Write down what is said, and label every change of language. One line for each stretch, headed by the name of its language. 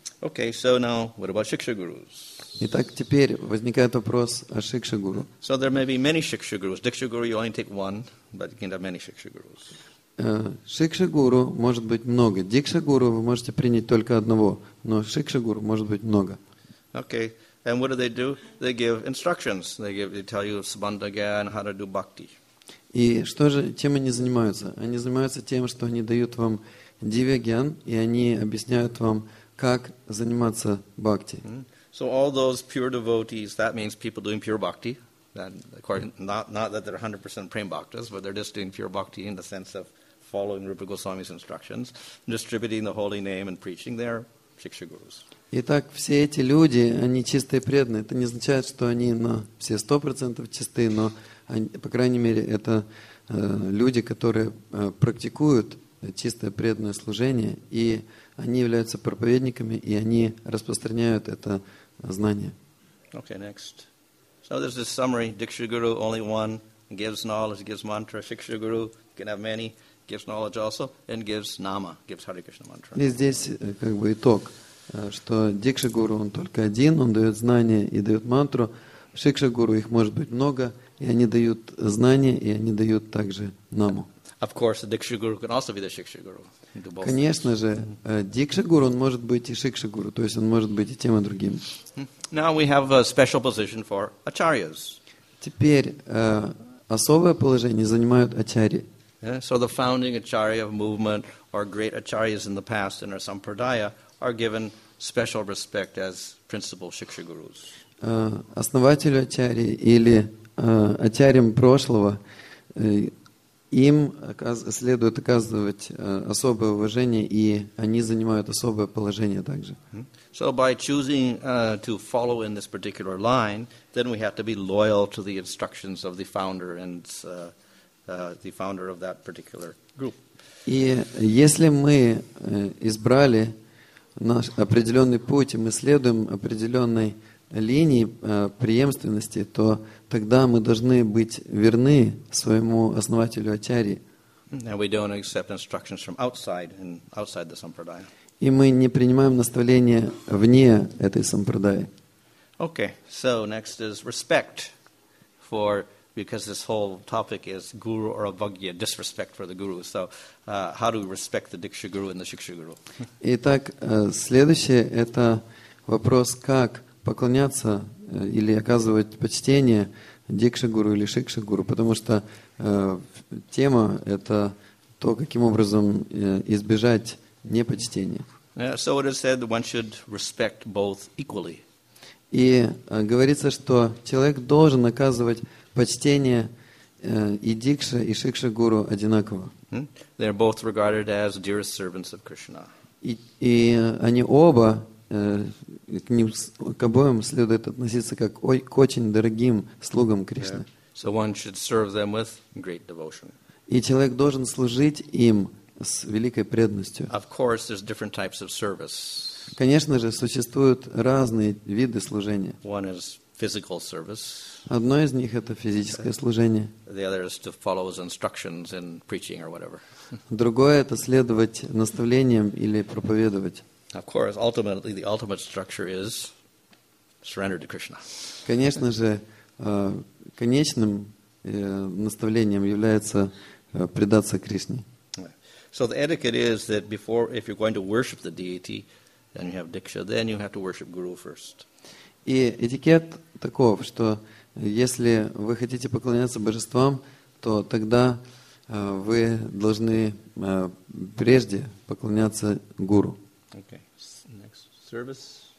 English: Okay, so now, what about Shiksha Gurus?
Russian: Итак, теперь возникает вопрос о Шикша Гуру.
English: So there may be many Shiksha Gurus. Diksha Guru, you only take one, but you can have many Shiksha Gurus.
Russian: Шикша-гуру может быть много. Дикша-гуру вы можете принять только одного, но шикша-гуру может быть много.
English: Okay. And what do? They give instructions. They tell you sabandhaga and how to do bhakti.
Russian: И что же, чем они занимаются? Они занимаются тем, что они дают вам дивиаген, и они объясняют вам, как заниматься бхакти.
English: So all those pure devotees, that means people doing pure bhakti. Not that they're 100% prem bhaktas, but they're just doing pure bhakti in the sense of following Rupa Goswami's instructions, distributing the holy name and preaching their Shiksha Gurus.
Russian: Итак, все эти люди, они чистые преданные. Это не означает, что они на все 100% чистые, но они, по крайней мере, это люди, которые практикуют чистое преданное служение, и они являются проповедниками, и они распространяют это знание.
English: Okay, next. So there's this summary. Diksha Guru, only one, gives knowledge, gives mantra. Shiksha Guru, can have many. Gives knowledge also and gives nama, gives Hare Krishna mantra.
Russian: И здесь как бы итог, что Дикша Гуру он только один, он дает знания и дает мантру. Шикша Гуру их может быть много, и они дают знания и они дают также наму.
English: Of course, the Diksha Guru can also be the Shiksha Guru.
Russian: Конечно же, Дикша Гуру он может быть и Шикша Гуру, то есть он может быть и тем и другим.
English: Now we have a special position for acharyas.
Russian: Теперь особое положение занимают ачарьи.
English: Yeah, so the founding acharya of movement or great acharyas in the past in our sampradaya are given special respect as principal shiksha gurus.
Russian: Основателю ачарьи или ачарьям прошлого им следует оказывать особое уважение, и они занимают особое положение также.
English: So by choosing to follow in this particular line, then we have to be loyal to the instructions of the founder and the founder of that particular group.
Russian: И если мы избрали наш определенный путь, и мы следуем определенной линии преемственности, то тогда мы должны быть верны своему основателю ачарьи.
English: And we don't accept instructions from outside and outside the sampradaya.
Russian: И мы не принимаем наставления вне этой сампрадаи.
English: Okay, so next is respect for. Because this whole topic is guru or avagya, disrespect for the guru. So, how do we respect the Diksha Guru and the Shiksha Guru?
Russian: Итак, следующее это вопрос, как поклоняться или оказывать почтение Дикша Гуру или Шикша Гуру, потому что тема это то, каким образом избежать непочтения.
English: So it is said that one should respect both equally.
Russian: И говорится, что человек должен оказывать почтение и Дикша, и Шикша Гуру одинаково.
English: They are both regarded as dearest servants of Krishna.
Russian: И они оба, к ним, к обоим следует относиться как к очень дорогим слугам Кришны.
English: Yeah. So one should serve them with great devotion.
Russian: И человек должен служить им с великой преданностью.
English: Of course, there's different types of service.
Russian: Конечно же, существуют разные виды служения.
English: One is physical service.
Russian: Одно из них это физическое служение.
English: The other is to follow his instructions in preaching or whatever.
Russian: Другое это следовать наставлениям или проповедовать.
English: Of course, ultimately the ultimate structure is surrender to Krishna.
Russian: Конечно же, конечным наставлением является предаться Кришне.
English: So the etiquette is that before, if you're going to worship the deity, then you have diksha, then you have to worship guru first.
Russian: И этикет таков, что если вы хотите поклоняться божествам, то тогда вы должны прежде поклоняться гуру.
English: Okay. Next service.